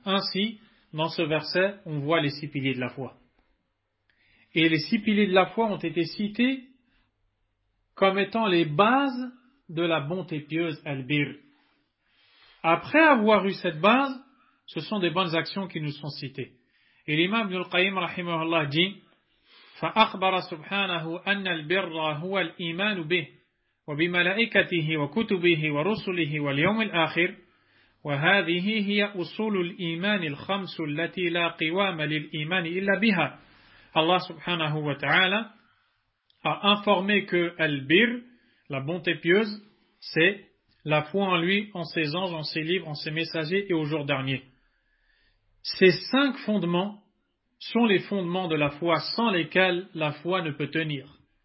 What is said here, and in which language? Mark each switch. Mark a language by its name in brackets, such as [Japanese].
[French] Ainsi, dans ce verset, on voit les 6 piliers de la foi. Et les 6 piliers de la foi ont été cités comme étant les bases de la bonté pieuse al-bir. Après avoir eu cette base, ce sont des bonnes actions qui nous sont citées. Et l'imam ibn al-Qayyim rahimahullah dit, [Arabic] فَأَخْبَرَ سُبْحَانَهُ أَنَّ الْبِرَّ هُوَ الْإِيمَانُ بِهِ وبملائكته وكتبه ورسله واليوم الآخر وهذه هي أصول الإيمان الخمس التي لا قوام للإيمان إلا بها. [French] Allah subhanahu wa ta'ala a informé que al-bir, la bonté pieuse, c'est la foi en lui, en ses anges, en ses livres, en ses messagers et au jour dernier. Ces 5 fondements sont les fondements de la foi sans lesquels la foi ne peut tenir.